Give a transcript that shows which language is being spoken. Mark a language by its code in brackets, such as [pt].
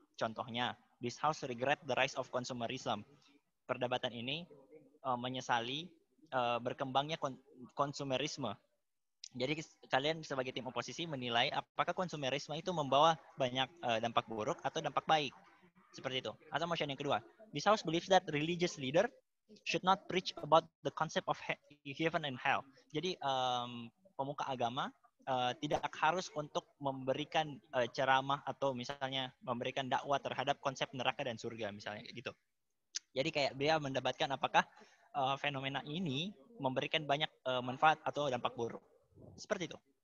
[id] Contohnya, [en] this house regret the rise of consumerism. [id] Perdebatan ini menyesali berkembangnya konsumerisme. Jadi kalian sebagai tim oposisi menilai apakah konsumerisme itu membawa banyak dampak buruk atau dampak baik. Seperti itu. Atau motion yang kedua. [en] This house believes that religious leader should not preach about the concept of heaven and hell. [id] Jadi pemuka agama tidak harus untuk memberikan ceramah atau misalnya memberikan dakwah terhadap konsep neraka dan surga misalnya gitu. Jadi kayak dia mendebatkan apakah fenomena ini memberikan banyak manfaat atau dampak buruk. Seperti itu.